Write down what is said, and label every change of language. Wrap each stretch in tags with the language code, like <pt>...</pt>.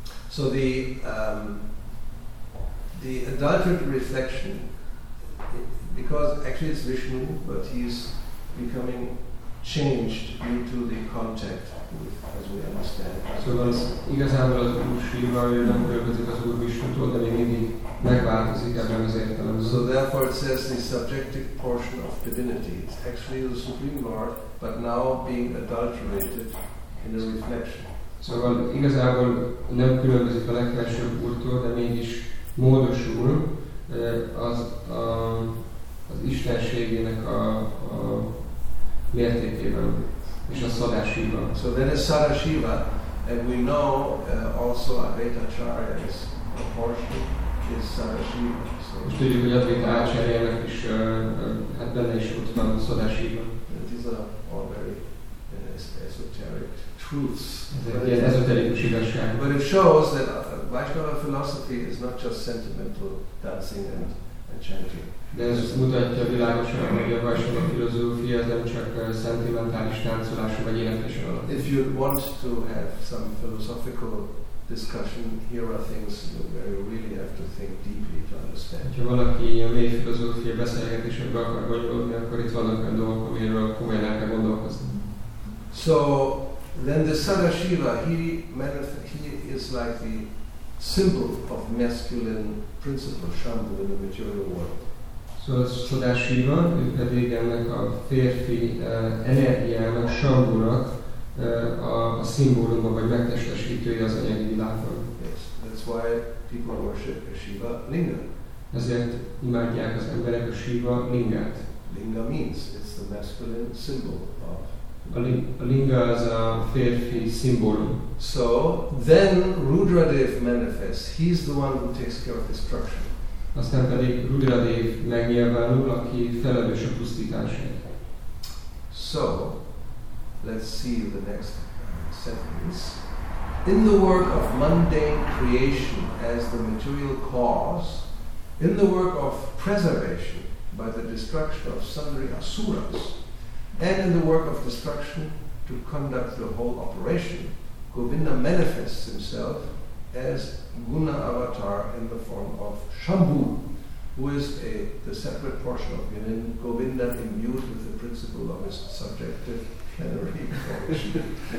<en>So the adulterated reflection, because actually it's Vishnu, but he's becoming changed due to the contact with, as we understand. So that's</en> <hu>igazából az Úr Shiva, ő nem különbözik az Úr Vishnutól, de még mindig megváltozik ebben az értelemben.</hu> <en>So therefore it says the subjective portion of divinity is actually the Supreme Lord, but now being adulterated in the reflection.</en> <hu>Szóval igazából nem különbözik a legfelsőbb úrtól, de mégis módosul az istenségének a mértékében és a Sarashiva.</hu> <en>So then a Sarashiva, and we know also Advaita Acharya's portion is Sarashiva. So</en> <hu>most tudjuk, hogy Advaita Acharya-nak is hát benne is ott van Sarashiva.</hu> <en>These are all very esoteric truths.</en> <hu>Ezoterikus igazság.</hu> <en>But it shows that Vaishnava philosophy is not just sentimental dancing and chanting.</en> <hu>De ez mutatja világosan, hogy a Vaishnava filozófia nem csak szentimentális táncolása vagy életvésen alatt.</hu> <en>If you want to have some philosophical discussion, here are things where you really have to think deeply to understand.</en> <hu>Ha valaki a mély filozófia beszélgetésekbe akar gondolni, akkor itt vannak olyan dolgok, amiről komolyan el kell gondolkozni.</hu> <en>So then the Sarashiva, he is like the symbol of masculine principle Shambhu in the material world.</en> <hu>So a Sarashiva, ő pedig ennek a férfi energiának, Shambhunak a szimbóluma vagy megtestesítője az anyagi világban.</hu> <en>Yes, that's why people worship a Shiva Linga.</en> <hu>Ezért imádják az emberek a Shiva Lingát.</hu> <en>Linga means, it's the masculine symbol of.</en> <hu>A Linga az a férfi szimbólum.</hu> <en>So, then Rudradev manifests. He's the one who takes care of destruction.</en> <hu>Aztán pedig Rudradev megnyilvánul, aki felelős a pusztításért.</hu> <en>So, let's see the next sentence. In the work of mundane creation as the material cause, in the work of preservation by the destruction of sundry asuras, and in the work of destruction to conduct the whole operation, Govinda manifests himself as Guna avatar in the form of Shambhu, who is the separate portion of Yunin, Govinda imbued with the principle of his subjective plenary portion.</en>